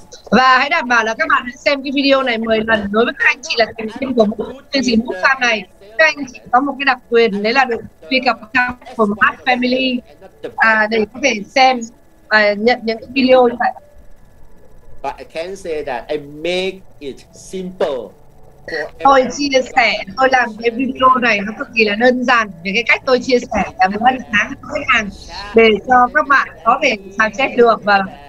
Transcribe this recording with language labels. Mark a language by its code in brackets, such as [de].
[vi] Và hãy đảm bảo là các bạn xem cái video này 10 lần. Đối với các anh chị là thành viên của một chương trình Book Farm này, các anh chị có một cái đặc quyền, đấy là được truy cập account của Mark Family để có thể xem và nhận những cái video như vậy. [en] But I can say that I make it simple. [vi] Tôi chia sẻ, tôi làm cái video này nó cực kỳ là đơn giản về cái cách tôi chia sẻ là một ân sáng cho khách hàng để cho các bạn có thể sao chép được và